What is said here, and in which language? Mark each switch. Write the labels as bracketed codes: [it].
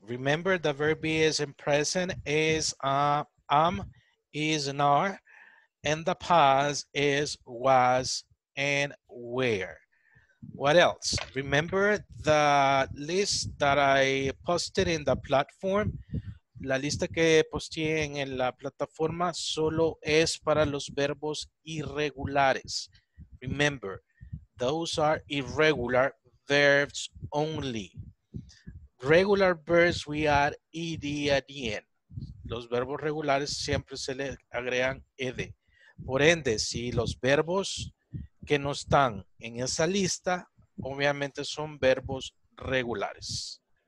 [en] Remember, the verb be is in present, is am, is and are, and the past is was and where. What else? Remember the list that I posted in the platform. [es] La lista que posteé en la plataforma solo es para los verbos irregulares. [en] Remember, those are irregular verbs only. Regular verbs we add ed at the end. [es] Los verbos regulares siempre se le agregan ed. Por ende, si los verbos que no están en esa lista, obviamente son verbos regulares.